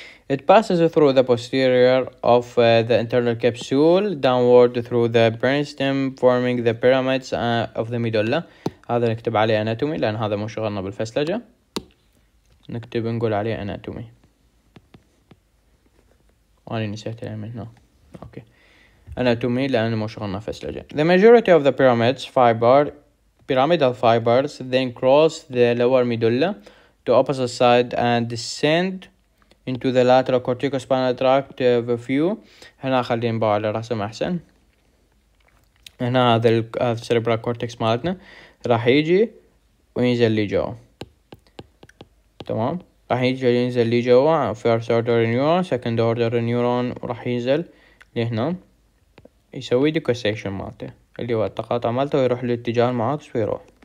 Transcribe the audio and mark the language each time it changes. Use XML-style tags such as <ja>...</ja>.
<en>It passes through the posterior of the internal capsule downward through the brainstem forming the pyramids of the medulla.</en> <ar>هذا نكتب عليه اناتومي لان هذا مو شغلنا بالفسلجة، نكتب نقول عليه اناتومي. وانا نسيت من هنا. اوكي اناتومي لان مو شغلنا فسلجة.</ar> <en>The majority of the pyramids fiber pyramidal fibers then cross the lower medulla to opposite side and descend into the lateral corticospinal tract of a few.</en> <ar>هنا خلينا نبع على رسم احسن. هنا هذا السيريبرال كورتكس مالتنا راح يجي وينزل لي جوا، تمام؟ راح يجي وينزل لي جوا</ar> <en>first order neuron second order neuron،</en> <ar>وراح ينزل لهنا يسوي ديكوسيشن مالته اللي هو التقاطع مالته، ويروح للاتجاه المعاكس ويروح.</ar>